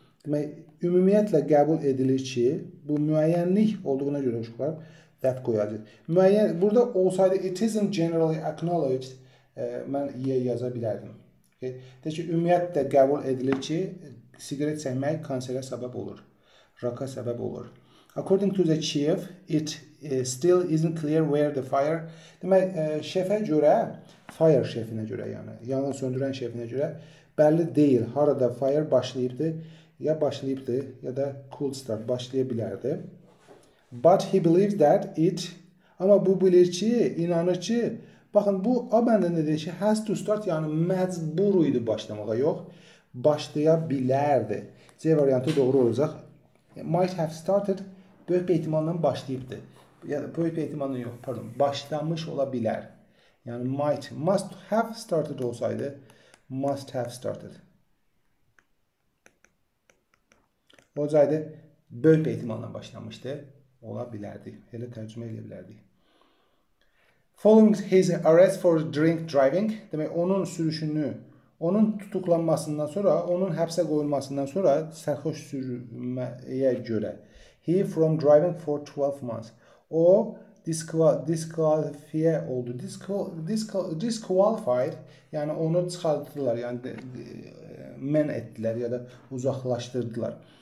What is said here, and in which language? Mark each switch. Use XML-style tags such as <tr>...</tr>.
<az>Demək, ümumiyyətlə qəbul edilir ki, bu müəyyənlik olduğuna görə uşaqlar dət qoyacaq. Müəyyən, burada olsaydı,</az> <en>it isn't generally acknowledged,</en> <az>mən yer yaza bilərdim. Okay? Deyək ki, ümumiyyətlə qəbul edilir ki, sigaret çəkmək kanserə səbəb olur. Raka səbəb olur.</az> <en>According to the chief, it still isn't clear where the fire.</en> <az>Demək, şefə görə, fire şefinə görə yani, yanğın söndürən şefinə görə bəlli deyil. Harada fire başlayıbdı, ya başlayıbdı, ya da cool start başlayabilərdi.</az> <en>But he believes that it,</en> <az>amma bu bilir ki, inanır ki, baxın bu A bəndində deyir ki,</az> <en>has to start,</en> <az>yani məcbur idi başlamağa, yox, başlaya bilərdi. C variantı doğru olacaq.</az> <en>Might have started.</en> <az>Böyük bir ehtimalla başlayıbdır. Ya da böyük bir ehtimalla yox, pardon. Başlamış ola bilər. Yəni, might,</az> <en>must have started</en> <az>olsaydı, must have started. Olacaqdı, böyük bir ehtimalla başlamışdı, ola bilərdi. Elə tərcümə edə bilərdi.</az> <en>Following his arrest for drink driving,</en> <az>demək, onun sürüşünü, onun tutuqlanmasından sonra, onun həbsə qoyulmasından sonra, sərxoş sürməyə görə,</az> <en>he from driving for 12 months.</en> <az>O disqualifiye oldu. Disqualified, yani onu çıxardılar, yani men etdilər ya da uzaqlaşdırdılar.</az>